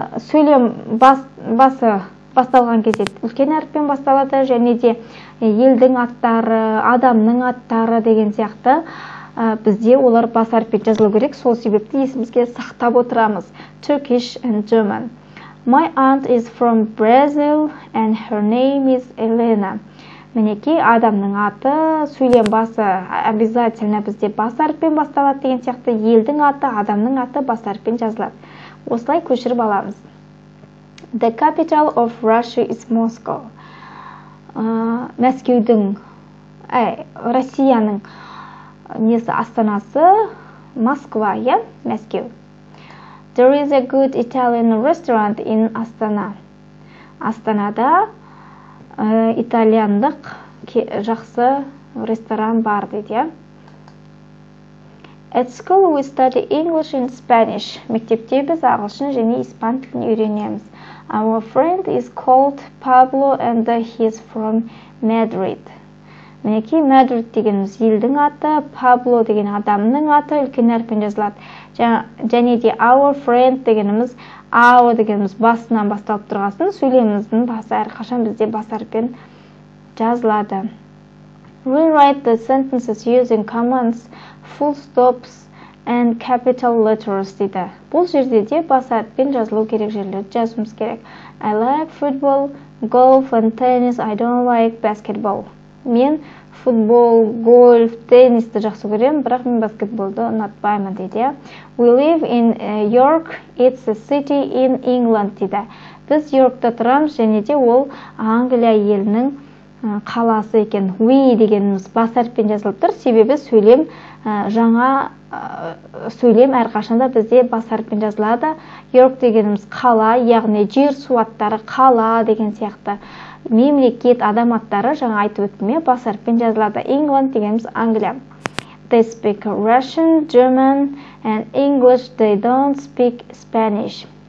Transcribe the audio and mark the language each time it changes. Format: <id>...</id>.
<kk>Сөйлем басталған кезде үлкен әріппен басталады және де елдің аттары, адамның аттары деген сияқты бізде олар бас әріппен жазылу керек, сол себепті есімізге сақтап отырамыз.</kk> <en>Turkish and German. My aunt is from Brazil and her name is Elena.</en> <kk>Мінекей адамның аты, сөйлем басы</kk> <ru>обязательно</ru> <kk>бізде бас әріппен басталады деген сияқты елдің аты, адамның аты бас әріппен жазылады. Осылай көшіріп аламыз.</kk> <en>The capital of Russia is Moscow.</en> <kk>Мәскеудің, Россияның несі астанасы Москва, иә, Мәскеу.</kk> <en>There is a good Italian restaurant in Astana.</en> <kk>Астанада итальяндық жақсы ресторан бар дейді, иә.</kk> <en>At school we study English and Spanish.</en> <kk>Мектепте біз ағылшын және испан тілін үйренеміз.</kk> <en>Our friend is called Pablo and he's from Madrid.</en> <kk>Мінекей Madrid деген елдің аты, Pablo деген адамның аты үлкен әріппен жазылады. Және де</kk> <en>our friend</en> <kk>дегеніміз, our дегеніміз басынан басталып тұрғасын, сөйлеміміздің басы әрқашан бізде бас әріппен жазылады.</kk> <en>Rewrite the sentences using commas, full stops and capital letters</en> <kk>дейді. Бұл жерде де бас әріппен жазылу керек жерлерді жазуымыз керек.</kk> <en>I like football, golf and tennis. I don't like basketball.</en> <kk>Мен футбол, гольф, теннисті жақсы көремін, бірақ мен баскетболды ұнатпаймын дейді.</kk> <en>We live in York. It's a city in England</en> <kk>дейді. Біз Йоркта тұрамыз және де ол Англия елінің қаласы екен. We дегеніміз бас әріппен жазылып тұр, себебі сөйлем жаңа сөйлем әрқашанда бізде бас әріппен жазылады. York дегеніміз қала, яғни жер су аттары қала деген сияқты. Мемлекет адам аттары жаңа айтып өттіме бас әріппен жазылады. England дегеніміз Англия.</kk> <en>They speak Russian, German and English. They don't speak Spanish.</en>